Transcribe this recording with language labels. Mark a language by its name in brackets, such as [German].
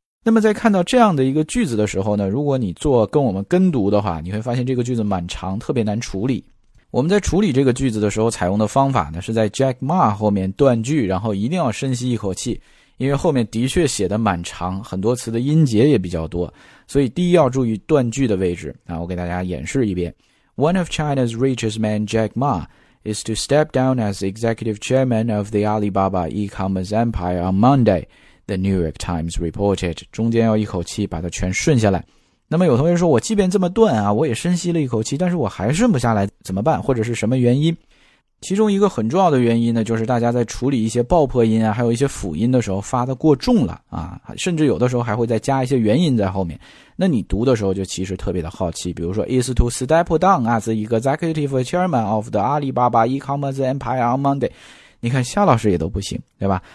[Chinese] 那么在看到这样的一个句子的时候呢，如果你做跟我们跟读的话，你会发现这个句子蛮长，特别难处理。我们在处理这个句子的时候采用的方法呢，是在 Jack Ma 后面断句，然后一定要深吸一口气，因为后面的确写的蛮长，很多词的音节也比较多，所以第一要注意断句的位置啊。我给大家演示一遍。 [English] One of China's richest men, Jack Ma, is to step down as executive chairman of the Alibaba e-commerce empire on Monday,The New York Times reported, [Chinese] 中间要一口气把它全顺下来。那么有同学说，我即便这么断啊，我也深吸了一口气，但是我还顺不下来，怎么办？或者是什么原因？其中一个很重要的原因呢，就是大家在处理一些爆破音啊，还有一些辅音的时候发的过重了啊，甚至有的时候还会再加一些元音在后面。那你读的时候就其实特别的好奇，比如说 [English] is to step down as executive chairman of the Alibaba e-commerce empire on Monday, [Chinese] 你看夏老师也都不行，对吧？